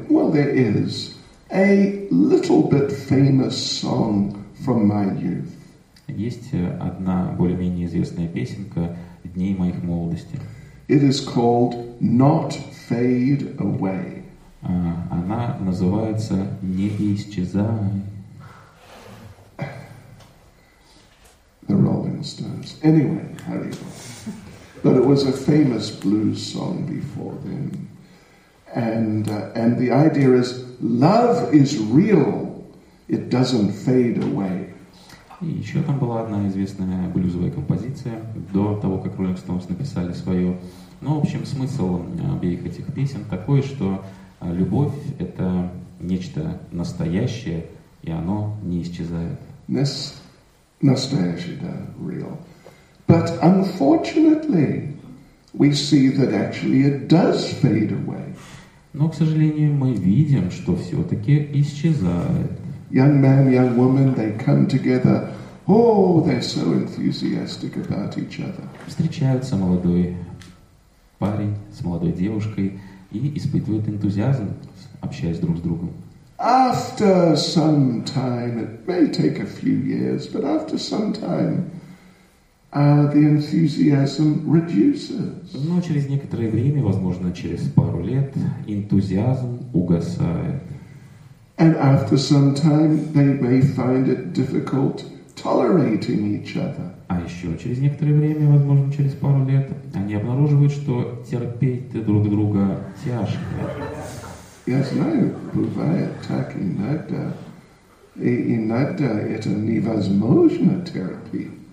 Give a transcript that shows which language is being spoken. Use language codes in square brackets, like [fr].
[en] There is a little bit famous song from my youth. [ru] Есть одна более-менее известная песенка дней моих молодости. [en] It is called Not Fade Away. [ru] Она называется Не исчезай. [en] The Rolling Stones. Anyway, hurry up. But it was a famous blues song before then, and the idea is love is real, it doesn't fade away. [ru] И еще там была одна известная блюзовая композиция до того, как Rolling Stones написали свою. Ну, в общем, смысл обеих этих песен такой, что любовь — это нечто настоящее, и оно не исчезает. Настоящее, да, real. [en] But unfortunately, we see that actually it does fade away. [ru] Но, к сожалению, мы видим, что все-таки исчезает. [en] Young man, young woman, they come together. Oh, they're so enthusiastic about each other. [ru] Встречаются молодой парень с молодой девушкой и испытывают энтузиазм, общаясь друг с другом. [en] After some time, it may take a few years, but after some time, the enthusiasm reduces. [ru] Но через некоторое время, возможно, через пару лет, энтузиазм угасает. [en] And after some time, they may find it difficult tolerating each other. [ru] А еще через некоторое время, возможно, через пару лет, они обнаруживают, что терпеть друг друга тяжко. Я знаю, бывает так иногда. И иногда это невозможно терпеть.